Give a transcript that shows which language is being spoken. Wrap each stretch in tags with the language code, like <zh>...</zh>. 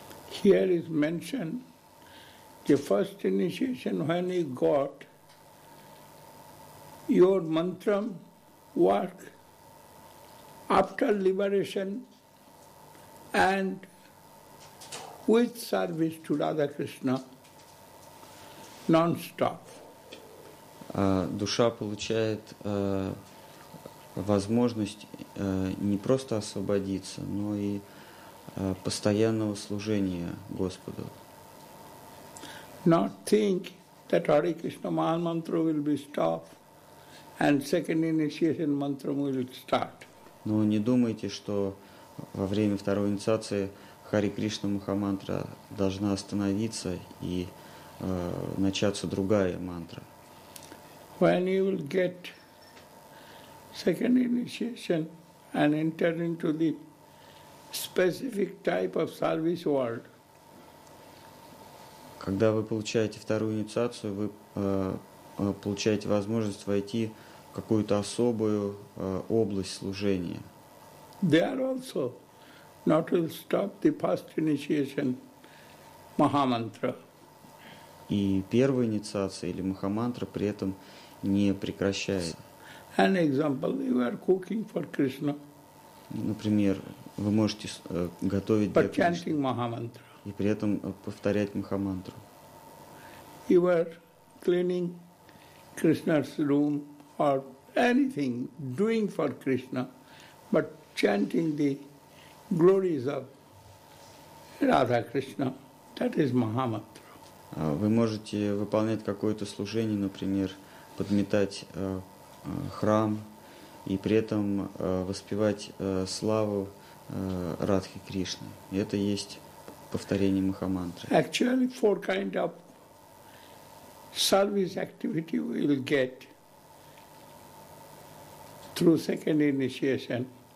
<en>Here is mentioned the first initiation when you got your mantra work after liberation. And with service to Radha Krishna, non-stop.</en> <ru>Душа получает возможность не просто освободиться, но и постоянного служения Господу.</ru> <en>Not think that Hare Krishna Mahamantra will be stopped and second initiation mantra will start.</en> <ru>Но не думайте, что во время второй инициации Хари Кришна Махамантра должна остановиться и начаться другая мантра.</ru> <en>When you will get second initiation and enter into the specific type of service world.</en> <ru>Когда вы получаете вторую инициацию, вы получаете возможность войти в какую-то особую область служения.</ru> <en>There also not will stop the first initiation Mahamantra.</en> <ru>И первая инициация или Махамантра при этом не прекращается.</ru> <en>An example, you are cooking for Krishna.</en> <ru>Например, вы можете готовить для Кришны.</ru> <en>But chanting Mahamantra.</en> <ru>И при этом повторять Махамантру.</ru> <en>You are cleaning Krishna's room or anything, doing for Krishna, but chanting the glories of Radha Krishna, that is Mahamantra.</en> <ru>Вы можете выполнять какое-то служение, например, подметать храм и при этом воспевать славу Радхи Кришны. Это есть повторение Махамантры.</ru> <en>Actually, four kind of service activity we will get through second initiation.</en>